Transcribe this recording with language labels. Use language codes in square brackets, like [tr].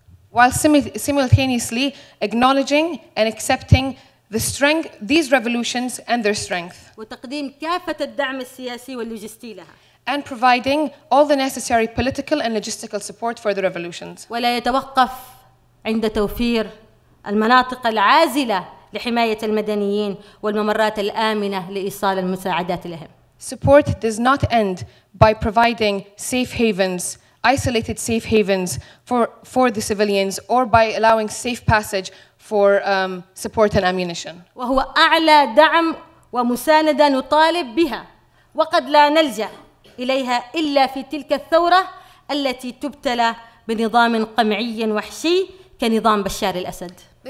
[en] While simultaneously acknowledging and accepting the strength, these revolutions and their strength. [ar] وتقديم كافة الدعم السياسي واللوجستي لها. [en] And providing all the necessary political and logistical support for the revolutions. [ar] ولا يتوقف عند توفير المناطق العازلة لحماية المدنيين والممرات الآمنة لإيصال المساعدات لهم. [en] Support does not end by providing safe havens, isolated safe havens for the civilians, or by allowing safe passage for support and ammunition. [ar] وهو أعلى دعم ومساندة نطالب بها وقد لا نلجأ إليها إلا في تلك الثورة التي تبتلى بنظام قمعي وحشي كنظام بشار الأسد.